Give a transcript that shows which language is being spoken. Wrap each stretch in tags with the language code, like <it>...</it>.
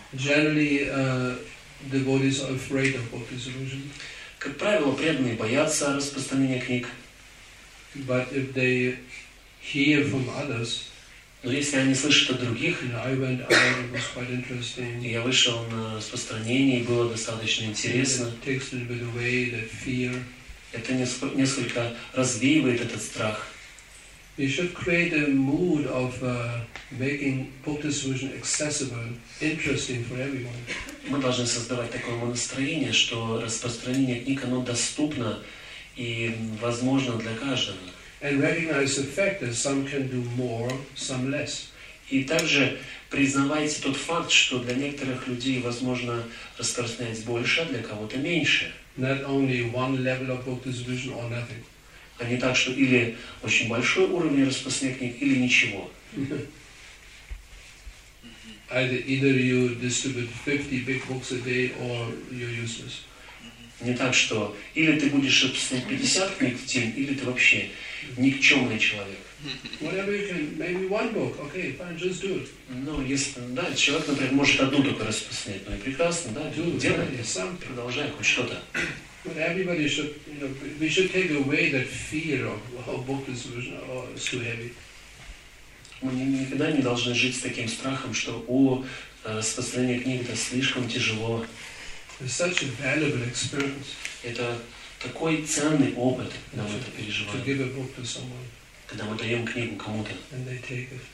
<en>Generally, devotees are afraid of book distribution.</en> <ru>Как правило, преданные боятся распространения книг.</ru> <en>But if they hear from others,</en> <ru>но если они слышат от других,</ru> <en>I went out, it was quite interesting.</en> <ru>Я вышел на распространение, было достаточно интересно.</ru> <en>It takes a little bit away that fear.</en> <ru>Это несколько развеивает этот страх.</ru> <en>We should create a mood of making book distribution accessible, interesting for everyone.</en> <ru>Мы должны создавать такое настроение, что распространение книг оно доступно и возможно для каждого.</ru> <en>And recognize the fact that some can do more, some less.</en> <ru>И также признавайте тот факт, что для некоторых людей возможно распространять больше, для кого-то меньше.</ru> <en>Not only one level of book distribution or nothing.</en> <ru>А не так, что или очень большой уровень распространения, или ничего.</ru> <en>Either you distribute 50 big books a day or you're useless.</en> <ru>Не так, что или ты будешь распространять 50 книг в день, или ты вообще никчемный человек.</ru> <en>Whatever you can, maybe one book, okay, fine, just do it.</en> <ru>Ну, если, да, человек, например, может одну только распространять, ну и прекрасно, да, делай, сам продолжай хоть что-то.</ru> <en>But everybody should, we should take away that fear of book distribution is too heavy.</en> <ru>Мы никогда не должны жить с таким страхом, что распространение книг это слишком тяжело.</ru> <en>It's such a valuable experience.</en> <ru>Это такой ценный опыт, когда мы это переживаем.</ru> <en>To give a book to someone.</en> <ru>Когда мы даем книгу кому-то.</ru> <en>And they take it.</en>